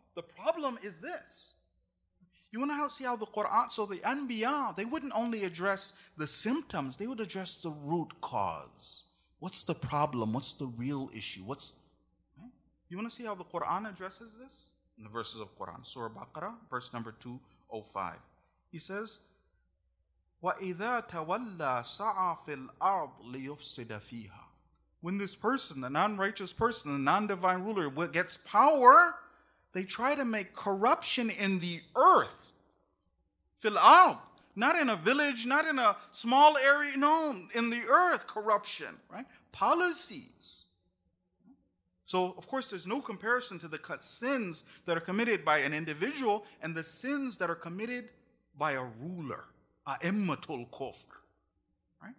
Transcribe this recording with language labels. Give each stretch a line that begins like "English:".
English: The problem is this. You want to see how the Qur'an, so the Anbiya, they wouldn't only address the symptoms, they would address the root cause. What's the problem? What's the real issue? What's? Right? You want to see how the Qur'an addresses this? In the verses of Qur'an, Surah Baqarah, verse number 205.
Arabic: He says, وَإِذَا تَوَلَّى سَعَى فِي الْأَرْضِ لِيُفْسِدَ فِيهَا.
English: When this person, the non-righteous person, the non-divine ruler, gets power, they try to make corruption in the earth. Fil al, not in a village, not in a small area, no, in the earth, corruption, right? Policies. So, of course, there's no comparison to the sins that are committed by an individual and the sins that are committed by a ruler, a immatul kufr, right?